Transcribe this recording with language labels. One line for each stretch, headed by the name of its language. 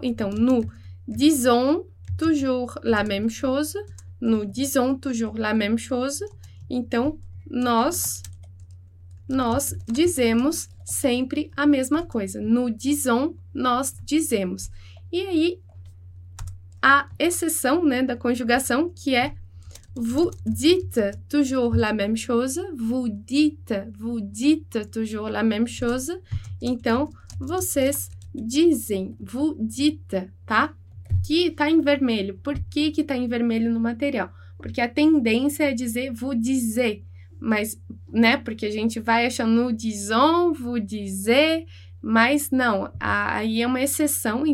French: Então, nous disons toujours la même chose. Nous disons toujours la même chose.
Portuguese: Então, nós dizemos sempre a mesma coisa.
French: Nous disons,
Portuguese: nós dizemos. E aí, a exceção, né, da conjugação, que é
French: vous dites toujours la même chose. Vous dites toujours la même chose.
Portuguese: Então, vocês dizem,
French: vous dites,
Portuguese: tá? Que tá em vermelho. Por que que tá em vermelho no material? Porque a tendência é dizer vous dizer, mas, né, porque a gente vai achando disons, vous dizer, mas não, aí é uma exceção.